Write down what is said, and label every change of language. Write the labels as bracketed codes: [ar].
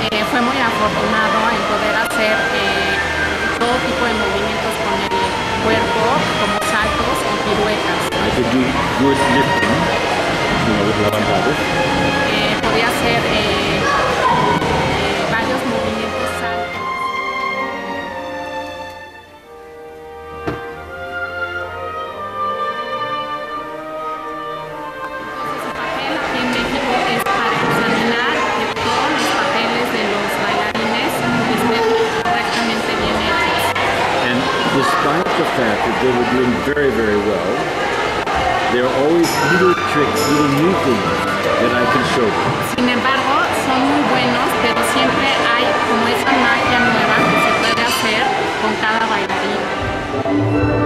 [es] Fue muy afortunado en poder hacer todo tipo de movimientos con el cuerpo, como saltos o piruetas. [en] I could do good lifting, you know, with levantados. [es] Podía hacer varios movimientos saltos. Su papel aquí en México es para examinar que todos los papeles de los bailarines estén correctamente bien hechos. [en] And despite the fact that they were doing very, very well, there are always little tricks, little new things that I can show them. [es] Sin embargo, son muy buenos, pero siempre hay como esa magia nueva que se puede hacer con cada bailarín.